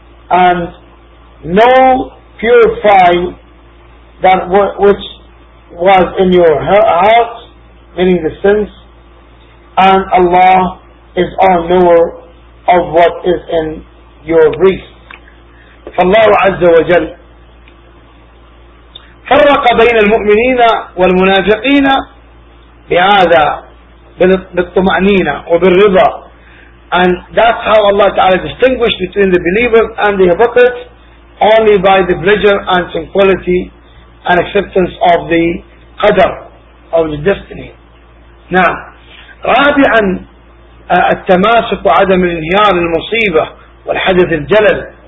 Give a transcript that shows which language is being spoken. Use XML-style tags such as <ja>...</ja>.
<en>and know purifying that which was in your heart, meaning the sins, and Allah is all knower of what is in your breast.</en> <ar>فالله عز وجل فرق بين المؤمنين والمنافقين بهذا بالطمأنينة وبالرضا.</ar> <en>And that's how Allah Ta'ala distinguished between the believers and the hypocrites, only by the pleasure and tranquility and acceptance of the qadr, of the destiny.</en> <ar>Now, رابعا التماسك وعدم الانهيار المصيبة والحدث الجلل.</ar>